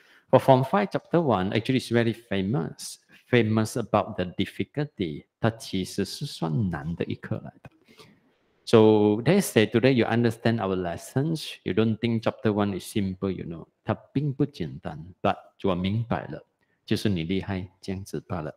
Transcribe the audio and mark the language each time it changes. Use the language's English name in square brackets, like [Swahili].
[English] But from five chapter one, actually is very famous about the difficulty. [Chinese] 它其实是算难的一课来的。 [English] So they say today you understand our lessons. You don't think chapter one is simple, you know? [Chinese] 它并不简单。 [English] But [Chinese] 我明白了，就是你厉害这样子罢了。